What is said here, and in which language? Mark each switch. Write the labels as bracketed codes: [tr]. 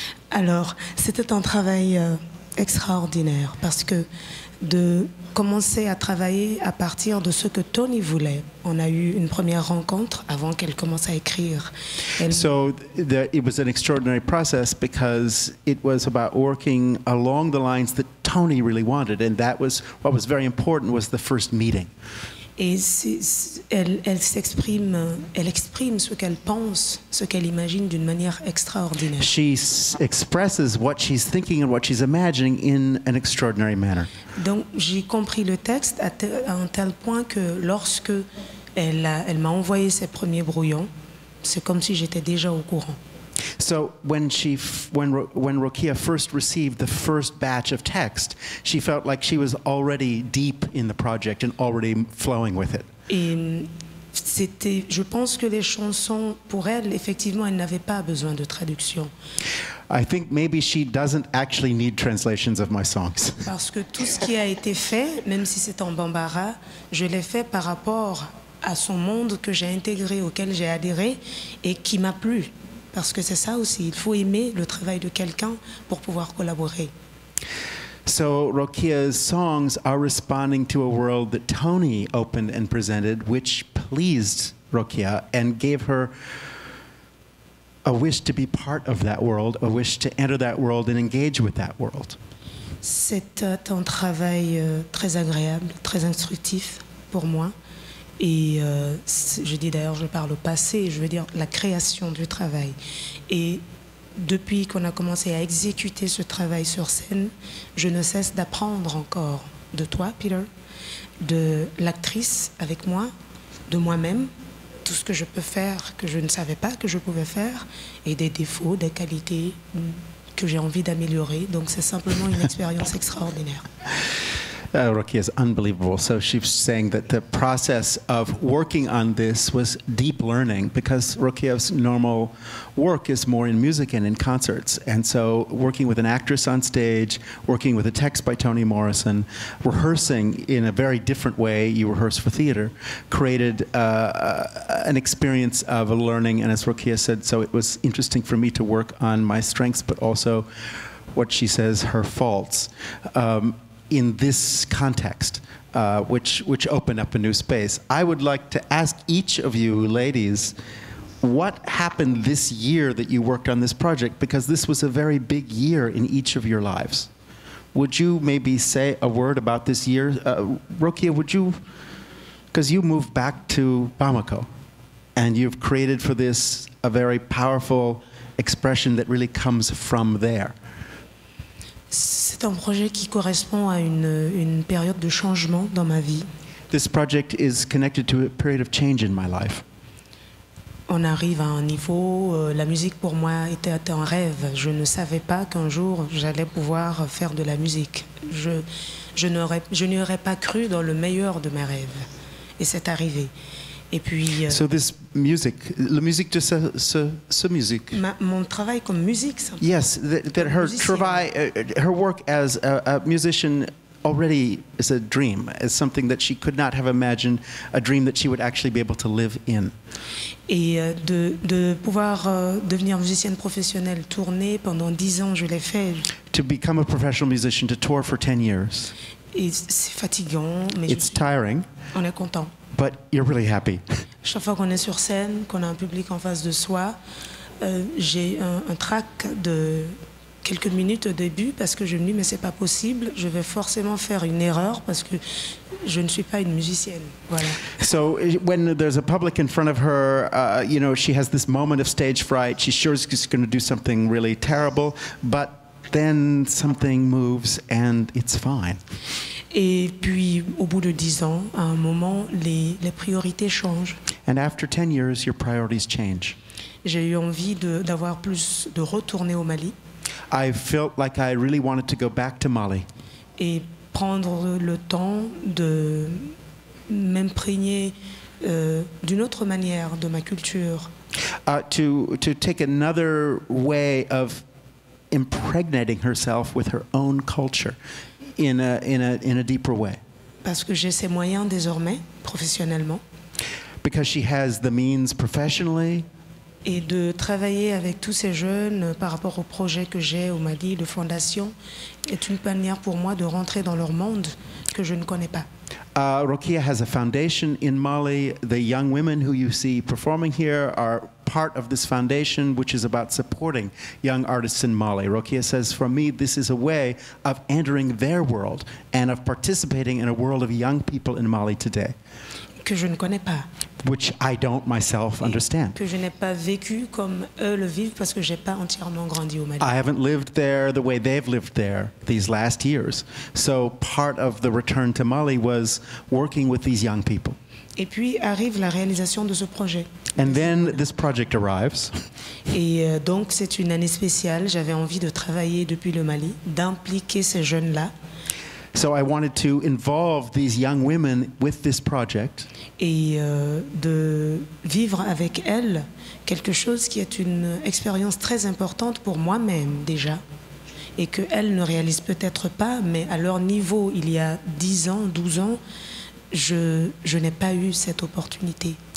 [fr] Alors, c'était un travail extraordinaire parce que de commencer à travailler à partir de ce que Toni voulait. On a eu une première rencontre avant qu'elle commence à écrire. Elle... [en] So it was an extraordinary process because it was about working along the lines that Toni really wanted, and that was what was very important was the first meeting. [fr] Et elle exprime ce qu'elle pense, ce qu'elle imagine d'une manière extraordinaire. [en] She expresses what she's thinking and what she's imagining in an extraordinary manner. [fr] Donc j'ai compris le texte à un tel point que lorsque elle m'a envoyé ses premiers brouillons, c'est comme si j'étais déjà au courant. [en] So when Rokia first received the first batch of text, she felt like she was already deep in the project and already flowing with it. [fr] C'était, je pense que les chansons pour elle, effectivement, elle n'avait pas besoin de traduction. [en] I think maybe she doesn't actually need translations of my songs. [fr] Parce que tout ce qui a été fait, même si c'est en bambara, je l'ai fait par rapport à son monde que j'ai intégré, auquel j'ai adhéré et qui m'a plu. Parce que c'est ça aussi, il faut aimer le travail de quelqu'un pour pouvoir collaborer. [en] So Rokia's songs are responding to a world that Toni opened and presented, which pleased Rokia and gave her a wish to be part of that world, a wish to enter that world and engage with that world. [fr] C'est un travail très agréable, très instructif pour moi. Et je dis d'ailleurs, je parle au passé, je veux dire la création du travail. Et depuis qu'on a commencé à exécuter ce travail sur scène, je ne cesse d'apprendre encore de toi, Peter, de l'actrice avec moi, de moi-même, tout ce que je peux faire que je ne savais pas que je pouvais faire, et des défauts, des qualités que j'ai envie d'améliorer. Donc c'est simplement une expérience extraordinaire. [en] Rokia is unbelievable. So she's saying that the process of working on this was deep learning because Rokia's normal work is more in music and in concerts. And so working with an actress on stage, working with a text by Toni Morrison, rehearsing in a very different way, you rehearse for theater, created an experience of a learning. And as Rokia said, so it was interesting for me to work on my strengths, but also what she says, her faults. In this context, which opened up a new space. I would like to ask each of you ladies, what happened this year that you worked on this project? Because this was a very big year in each of your lives. Would you maybe say a word about this year? Rokia, would you, because you moved back to Bamako, and you've created for this a very powerful expression that really comes from there. [fr] C'est un projet qui correspond à une période de changement dans ma vie. [en] This project is connected to a period of change in my life. [fr] On arrive à un niveau, la musique pour moi était un rêve. Je ne savais pas qu'un jour j'allais pouvoir faire de la musique. Je n'aurais pas cru dans le meilleur de mes rêves. Et c'est arrivé. Et puis, [en] so this music, [fr] la musique de ce musique. Mon travail comme musique. [en] Yes, that her travail, her work as a musician already is a dream, is something that she could not have imagined, a dream that she would actually be able to live in. [fr] Et de pouvoir devenir musicienne professionnelle, tourner pendant 10 ans, je l'ai fait. [en] To become a professional musician, to tour for 10 years. [fr] Et c'est fatigant, mais [en] it's tiring. [fr] On est content. [en] But you're really happy. [fr] Chaque fois qu'on est sur scène, qu'on a un public en face de soi, j'ai un trac de quelques minutes au début parce que je me dis mais c'est pas possible, je vais forcément faire une erreur parce que je ne suis pas une musicienne. Voilà. [en] So when there's a public in front of her, you know, she has this moment of stage fright. She's sure she's going to do something really terrible, but then something moves and it's fine. [fr] Et puis au bout de 10 ans, à un moment, les priorités changent. [en] And after 10 years, your priorities change. [fr] J'ai eu envie d'avoir plus de retourner au Mali. [en] I felt like I really wanted to go back to Mali. [fr] Et prendre le temps de m'imprégner d'une autre manière de ma culture. [en] To take another way of impregnating herself with her own culture in a deeper way. [fr] Parce que j'ai ces moyens désormais professionnellement. [en] Because she has the means professionally. [fr] Et de travailler avec tous ces jeunes par rapport au projet que j'ai au Mali, de fondation, est une manière pour moi de rentrer dans leur monde que je ne connais pas. [en] Rokia has a foundation in Mali. The young women who you see performing here are part of this foundation, which is about supporting young artists in Mali. Rokia says, for me, this is a way of entering their world and of participating in a world of young people in Mali today. [fr] Que je ne connais pas. [en] Which I don't myself understand. [fr] Que je n'ai pas vécu comme eux le vivent parce que j'ai pas entièrement grandi au Mali. [en] I haven't lived there the way they've lived there these last years. So part of the return to Mali was working with these young people. [fr] Et puis arrive la réalisation de ce projet. [en] And then this project arrives. [fr] Et donc c'est une année spéciale. J'avais envie de travailler depuis le Mali, d'impliquer ces jeunes-là. [en] So I wanted to involve these young women with this project. [fr] Et de vivre avec elles quelque chose qui est une expérience très importante pour moi-même déjà, et que elles ne réalisent peut-être pas, mais à leur niveau, il y a 10 ans, 12 ans, je n'ai pas eu cette opportunité.